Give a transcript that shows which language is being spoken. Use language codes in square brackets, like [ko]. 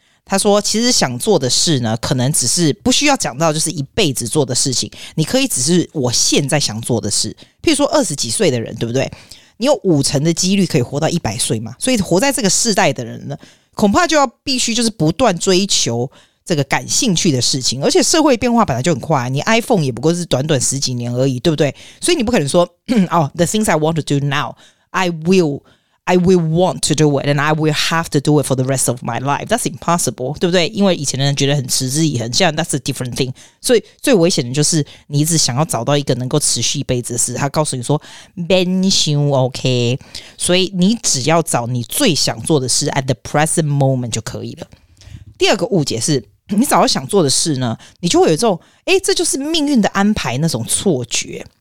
[zh] 他说其实想做的事呢，可能只是不需要讲到就是一辈子做的事情，你可以只是我现在想做的事。譬如说二十几岁的人对不对，你有50%的几率可以活到100岁嘛，所以活在这个世代的人呢，恐怕就要必须就是不断追求这个感兴趣的事情。 [en] 而且社会变化本来就很快，你 iPhone 也不过是短短十几年而已对不对，所以你不可能说 the things I want to do now I will want to do it and I will have to do it for the rest of my life. That's impossible, 对不对？ [zh] 因为以前的人觉得很持之以恒，现在 that's a different thing. 所以最危险的就是你一直想要找到一个能够持续一辈子的事，他告诉你说 Ben Xiu OK. 所以你只要找你最想做的事 at the present moment 就可以了。第二个误解是你找到想做的事呢，你就会有这种这就是命运的安排那种错觉。